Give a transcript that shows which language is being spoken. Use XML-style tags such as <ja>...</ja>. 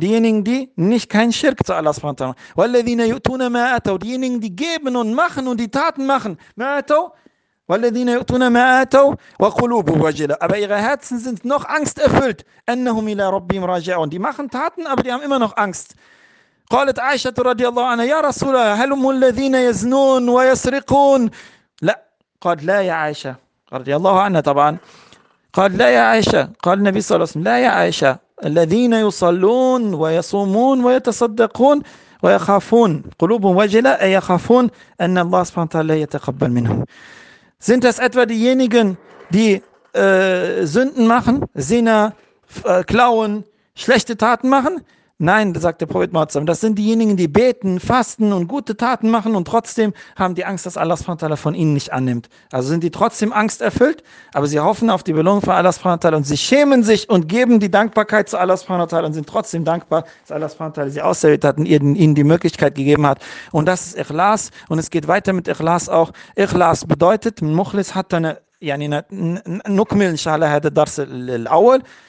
<de>Diejenigen, die nicht keinen Schirk zu Allah subhanahu wa ta'ala machen.</de> <ar>وَالَّذِينَ يُؤْتُونَ مَا آتَوْا.</ar> <de>Diejenigen, die geben und machen und die Taten machen.</de> <ar>مَا آتَوْا. وَالَّذِينَ يُؤْتُونَ مَا آتَوْا وَقُلُوبُهُمْ وَجِلَةٌ.</ar> <de>Aber ihre Herzen sind noch angsterfüllt.</de> <ar>أَنَّهُمْ إِلَى رَبِّهِمْ رَاجِعُونَ.</ar> <de>Die machen Taten, aber die haben immer noch Angst.</de> <ar>قالت عائشة رضي الله عنها يا رسول الله هل هم الذين يزنون ويسرقون لا قال لا يا عائشة رضي الله عنها طبعا قال لا يا عائشة قال النبي صلى الله عليه وسلم لا يا عائشة الذين يصلون ويصومون ويتصدقون ويخافون قلوبهم وجلة يخافون أن الله سبحانه وتعالى يتقبل منهم</ar> <de>sind das etwa diejenigen die Sünden machen Zina klauen schlechte Taten machen Nein, sagt der Prophet Muhammad, das sind diejenigen, die beten, fasten und gute Taten machen und trotzdem haben die Angst, dass Allah subhanahu wa ta'ala von ihnen nicht annimmt. Also sind die trotzdem angsterfüllt, aber sie hoffen auf die Belohnung von Allah subhanahu wa ta'ala und sie schämen sich und geben die Dankbarkeit zu Allah subhanahu wa ta'ala und sind trotzdem dankbar, dass Allah subhanahu wa ta'ala sie auserwählt hat und ihnen die Möglichkeit gegeben hat. Und das ist Ikhlas und es geht weiter mit Ikhlas auch. Ikhlas bedeutet, Mukhlis hat eine, yani eine Nukmil, inshallah, hat der Dars al-Awwal.</de>